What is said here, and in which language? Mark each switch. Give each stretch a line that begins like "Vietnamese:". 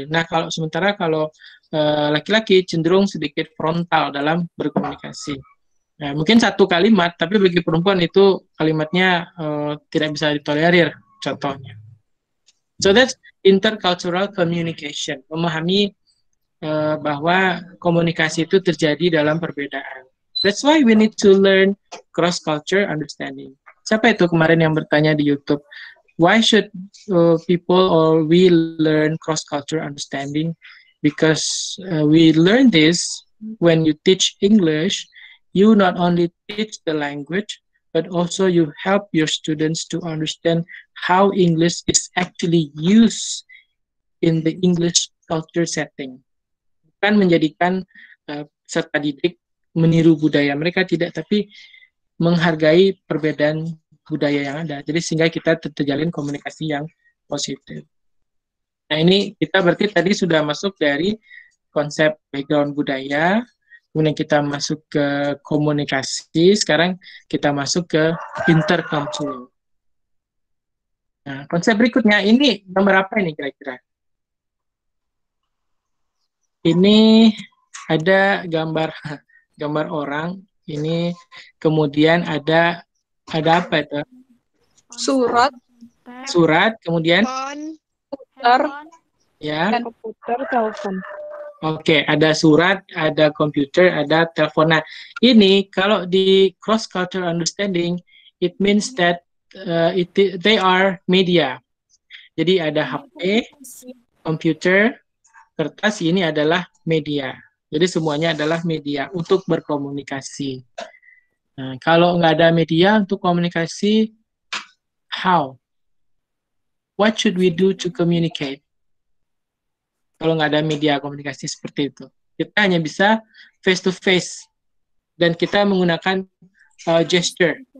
Indonesian: Nah, kalau sementara kalau laki-laki cenderung sedikit frontal dalam berkomunikasi. Nah, mungkin satu kalimat, tapi bagi perempuan itu kalimatnya tidak bisa ditolerir, contohnya.
English: So that's intercultural communication,
Indonesian: memahami bahwa komunikasi itu terjadi dalam perbedaan.
English: That's why we need to learn cross-culture understanding.
Indonesian: Siapa itu kemarin yang bertanya di YouTube?
English: Why should people or we learn cross-culture understanding? Because we learn this when you teach English. You not only teach the language, but also you help your students to understand how English is actually used in the English culture setting.
Indonesian: Bukan menjadikan peserta didik meniru budaya mereka, tidak, tapi menghargai perbedaan budaya yang ada. Jadi sehingga kita terjalin komunikasi yang positif. Nah, ini kita berarti tadi sudah masuk dari konsep background budaya, kemudian kita masuk ke komunikasi, sekarang kita masuk ke intercultural. Nah, konsep berikutnya, ini nomor apa ini kira-kira? Ini ada gambar orang, ini kemudian ada apa itu? Surat, kemudian? Komputer, ya. Komputer, telepon. Oke, ada surat, ada komputer, ada telepon. Nah, ini kalau di
English: cross-cultural understanding, it means that they are media.
Indonesian: Jadi ada HP, komputer, kertas, ini adalah media. Jadi semuanya adalah media untuk berkomunikasi. Nah, kalau nggak ada media untuk komunikasi, how?
English: What should we do to communicate?
Indonesian: Kalau nggak ada media komunikasi seperti itu, kita hanya bisa face to face dan kita menggunakan gesture.